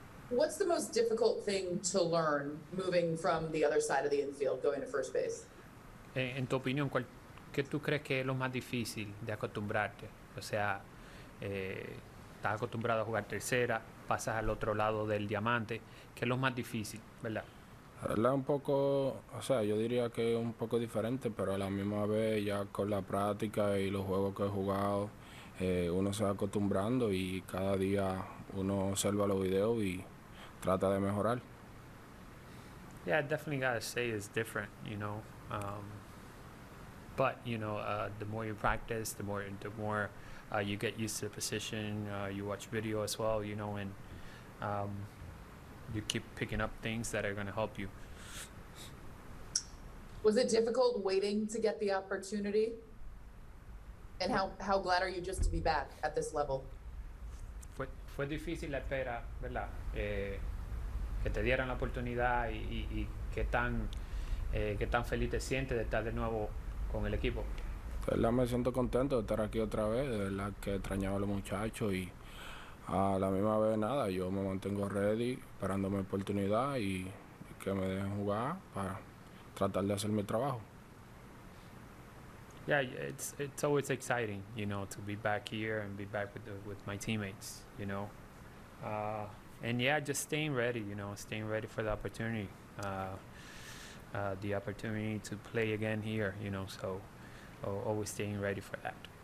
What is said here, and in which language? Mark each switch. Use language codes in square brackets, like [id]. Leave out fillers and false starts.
[en] What's the most difficult thing to learn moving from the other side of the infield going to first base? [es] En tu opinión, ¿cuál, qué tú crees que es lo más difícil de acostumbrarte? O sea, estás acostumbrado a jugar tercera, pasas al otro lado del diamante, ¿qué es lo más difícil, verdad? La verdad, un poco, o sea, yo diría que es un poco diferente, pero a la misma vez, ya con la práctica y los juegos que he jugado, uno se va acostumbrando y cada día uno observa los videos y trata de mejorar. [en] Yeah, I definitely gotta say it's different, you know. But you know, the more you practice, the more you get used to the position. You watch video as well, you know, and you keep picking up things that are gonna help you. Was it difficult waiting to get the opportunity? And how glad are you just to be back at this level? [es] Fue difícil la espera, ¿verdad? Que te dieran la oportunidad y qué tan feliz te sientes de estar de nuevo con el equipo. De verdad me siento contento de estar aquí otra vez, de verdad que extrañaba a los muchachos y a la misma vez nada, yo me mantengo ready, esperando mi oportunidad y que me dejen jugar para tratar de hacer mi trabajo. [en] Yeah, it's always exciting, you know, to be back here and be back with my teammates, you know. And yeah, just staying ready, you know, staying ready for the opportunity, the opportunity to play again here, you know, so always staying ready for that.